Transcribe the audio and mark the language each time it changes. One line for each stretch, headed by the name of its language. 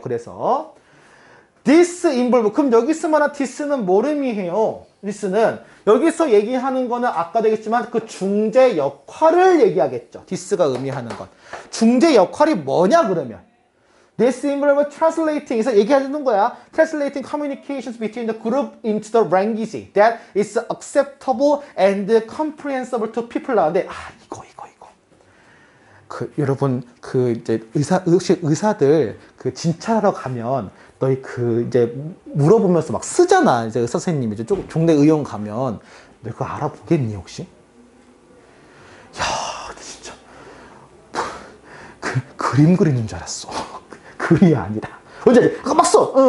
Korean: 그래서
English: this involve.
Korean: 그럼 여기서 말한 this는 뭘 의미해요? 디스는 여기서 얘기하는 거는 아까도 얘기했지만 그 중재 역할을 얘기하겠죠. 디스가 의미하는 것. 중재 역할이 뭐냐 그러면.
English: This involves translating
Korean: 에서 얘기하는 거야.
English: Translating communications between the group into the language that is acceptable and comprehensible to people.
Korean: 근데 아 이거. 그 여러분 그 이제 의사 혹시 의사들 그 진찰하러 가면 너희 그 이제 물어보면서 막 쓰잖아. 이제 의사 선생님이 이제 종대 의원 가면 너 그거 알아보겠니 혹시? 야, 진짜 그림 그리는 줄 알았어. 글이 아니라. 언제 그거 막 써.